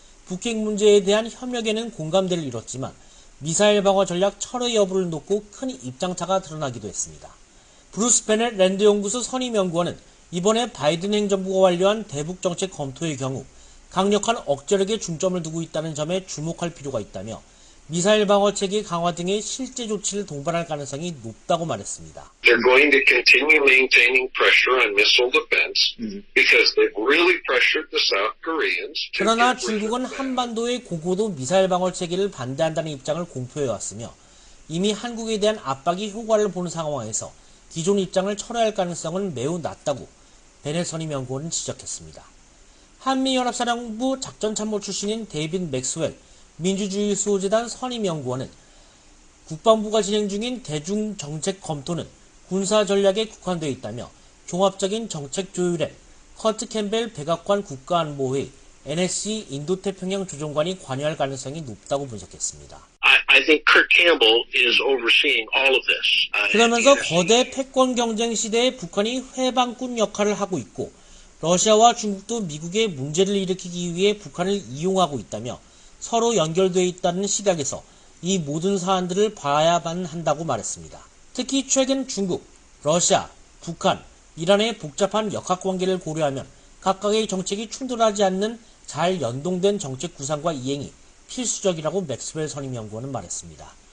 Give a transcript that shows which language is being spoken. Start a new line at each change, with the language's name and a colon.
Korean: 북핵 문제에 대한 협력에는 공감대를 이뤘지만 미사일 방어 전략 철회 여부를 놓고 큰 입장차가 드러나기도 했습니다. 브루스 베넷 랜드연구소 선임연구원은 이번에 바이든 행정부가 완료한 대북정책 검토의 경우 강력한 억제력에 중점을 두고 있다는 점에 주목할 필요가 있다며 미사일 방어 체계 강화 등의 실제 조치를 동반할 가능성이 높다고 말했습니다.
English: They're going to continue maintaining pressure on missile defense because they've really pressured the South Koreans.
Korean: 그러나 중국은 한반도의 고고도 미사일 방어 체계를 반대한다는 입장을 공표해 왔으며 이미 한국에 대한 압박이 효과를 보는 상황에서 기존 입장을 철회할 가능성은 매우 낮다고 베넷 선임연구원은 지적했습니다. 한미연합사령부 작전참모 출신인 데이빗 맥스웰 민주주의 수호재단 선임연구원은 국방부가 진행 중인 대중정책 검토는 군사전략에 국한되어 있다며 종합적인 정책 조율에 커트 캠벨 백악관 국가안보회 NSC 인도태평양 조정관이 관여할 가능성이 높다고 분석했습니다.
English: I think Kurt Campbell is overseeing all of this.
Korean: 그러면서 거대 패권 경쟁 시대에 북한이 회방꾼 역할을 하고 있고 러시아와 중국도 미국의 문제를 일으키기 위해 북한을 이용하고 있다며 서로 연결되어 있다는 시각에서 이 모든 사안들을 봐야만 한다고 말했습니다. 특히 최근 중국, 러시아, 북한, 이란의 복잡한 역학관계를 고려하면 각각의 정책이 충돌하지 않는 잘 연동된 정책 구상과 이행이 필수적이라고 맥스웰 선임연구원은 말했습니다.